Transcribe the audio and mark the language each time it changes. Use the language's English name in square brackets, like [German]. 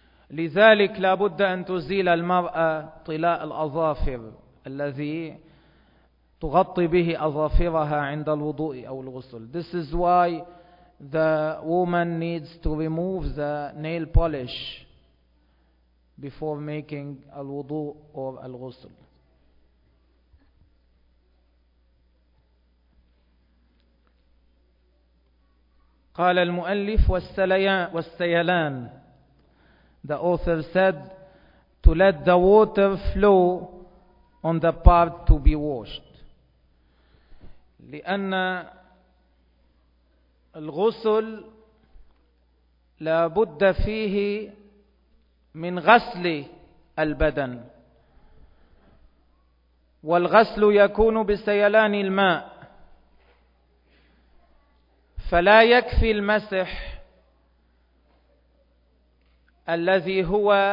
[Arabic] لذلك لا بد أن تزيل المرأة طلاء الأظافر الذي تغطي به أظافرها عند الوضوء أو الغسل. [English] This is why the woman needs to remove the nail polish before making الوضوء or الغسل. [Arabic] قال المؤلف والسيلان. [English] The author said to let the water flow on the part to be washed. [Arabic] لأن الغسل لابد فيه من غسل البدن، والغسل يكون بسيلان الماء، فلا يكفي المسح الذي هو